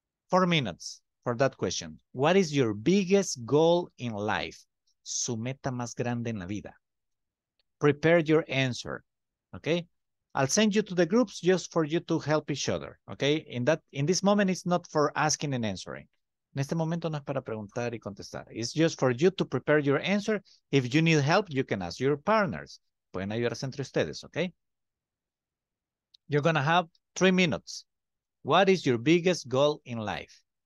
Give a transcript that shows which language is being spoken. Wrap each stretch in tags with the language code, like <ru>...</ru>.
<en>4 minutes for that question. What is your biggest goal in life?</en> <es>Su meta más grande en la vida.</es> <en>Prepare your answer.</en> <es>Okay.</es> <en>I'll send you to the groups just for you to help each other, okay? In this moment, it's not for asking and answering.</en> <es>En este momento no es para preguntar y contestar.</es> <en>It's just for you to prepare your answer. If you need help, you can ask your partners.</en> <es>Pueden ayudarse entre ustedes, okay?</es> <en>You're going to have 3 minutes. What is your biggest goal in life?</en>